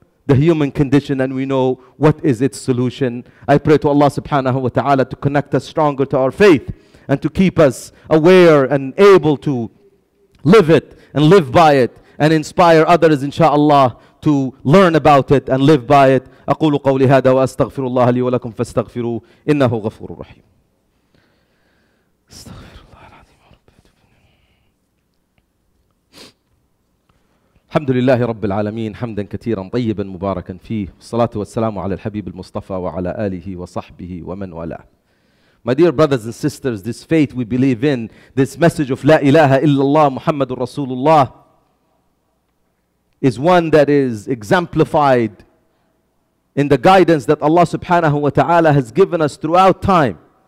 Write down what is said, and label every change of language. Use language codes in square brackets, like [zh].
[en] the human condition and we know what is its solution. I pray to Allah subhanahu wa ta'ala to connect us stronger to our faith and to keep us aware and able to live it and live by it and inspire others inshaAllah to learn about it and live by it. [ar] أقول قولي هذا وأستغفر الله لي ولكم فاستغفروا إنه غفور رحيم. استغفر الله العظيم رب العالمين. الحمد لله رب العالمين حمدا كثيرا طيبا مباركا فيه. الصلاة والسلام على الحبيب المصطفى وعلى آله وصحبه ومن والاه. [en] My dear brothers and sisters, this faith we believe in, this message of [ar] لا إله إلا الله محمد رسول الله, [en] is one that is exemplified in the guidance that Allah subhanahu wa ta'ala has given us throughout time.